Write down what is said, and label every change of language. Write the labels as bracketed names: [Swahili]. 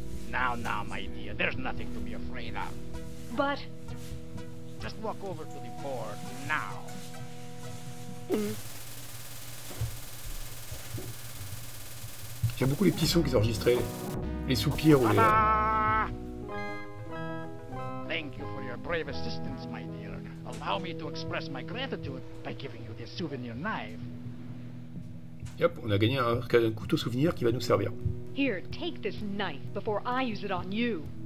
[English] Now, my dear, there's nothing to be afraid of. But... Just walk over to the board, now. Mm. [French] J'aime beaucoup les petits sons qu'ils enregistraient, les soupirs ou les... [English] Thank you for your brave assistance, my dear. Allow me to express my gratitude by giving you this souvenir knife. [French] Yep, on a gagné un couteau souvenir qui va nous servir. [English] Here, take this knife before I use it on you.